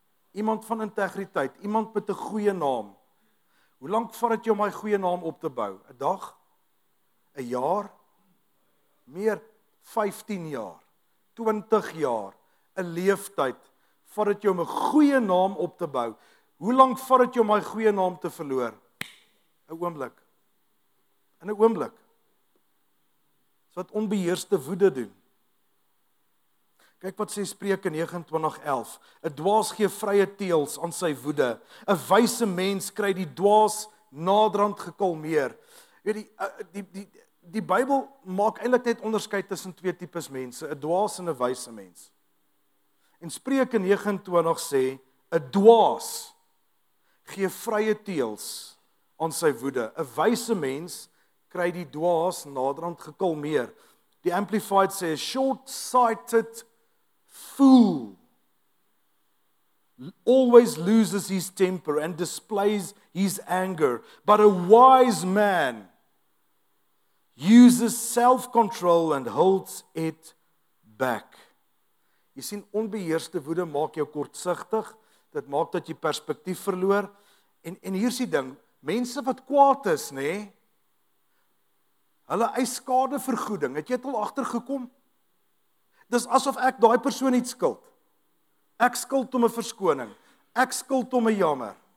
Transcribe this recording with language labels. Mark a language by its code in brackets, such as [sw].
[af] Iemand van integriteit, iemand met 'n goeie naam, hoe lank vat dit jou om my goeie naam op te bou? 'n Dag? 'n Jaar? Meer 15 jaar? 20 jaar? 'n Leeftyd? Vat dit jou om 'n goeie naam op te bou? Hoe lank vat dit jou om my goeie naam te verloor? 'n Oomblik. In 'n oomblik. Dis wat onbeheerste woede doen. Kyk wat sê Spreuke 29:11. 'n Dwaas gee vrye teels aan sy woede. 'n Wyse mens kry die dwaas naderhand gekalmeer. Weet die Bybel maak eintlik net onderskeid tussen 2 types mense, 'n dwaas en 'n wyse mens. En Spreuke 29 sê 'n dwaas gee vrye teels aan sy woede. 'N wyse mens kry die dwaas naderhand gekalmeer. Die Amplified sê, [en] a short-sighted fool always loses his temper and displays his anger, but a wise man uses self-control and holds it back. [af] Jy sien, onbeheerste woede maak jou kortsigtig, dit maak dat jy perspektief verloor, en hier is die ding, mense wat kwaad is, nee, hulle eis skadevergoeding, het jy het al agtergekom? Dis asof ek daai persoon iets skuld. Ek skuld om 'n verskoning, ek skuld om 'n jammer.